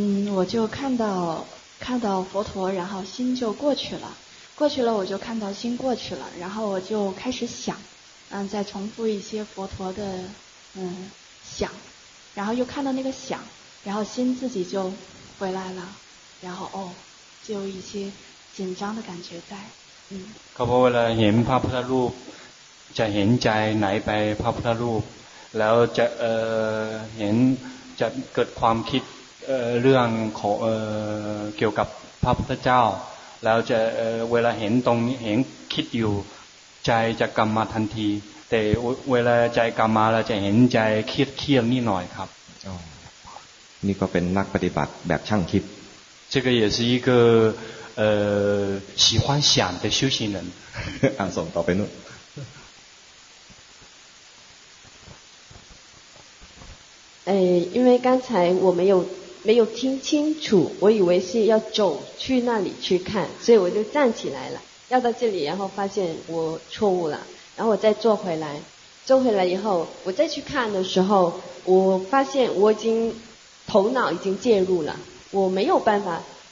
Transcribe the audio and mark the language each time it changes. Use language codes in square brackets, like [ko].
[zh] 我就看到佛陀然后心就过去了过去了我就看到心过去了然后我就开始想再重复一些佛陀的想然后又看到那个想然后心自己就回来了然后哦就有一些紧张的感觉在 [th] เขาบอกว่าเห็นพระพุทธรูปจะเห็นใจไหลไปพระพุทธรูปแล้วจะเห็นจะเกิดความคิดเรื่องของเกี่ยวกับพระพุทธเจ้าแล้วจะเวลาเห็นตรงนี้เห็นคิดอยู่ใจจะกลับมาทันทีแต่เวลาใจกลับมาเราจะเห็นใจเครียดเครียดนิดหน่อยครับ นี่ก็เป็นนักปฏิบัติแบบช่างคิด [zh] 这个也是一个喜欢想的修行人 [th] อ่านส่งต่อไปนู่น [zh] เอ่ย因为刚才我没有听清楚我以为是要走去那里去看所以我就站起来了要到这里然后发现我错误了然后我再坐回来坐回来以后我再去看的时候我发现我已经头脑已经介入了我没有办法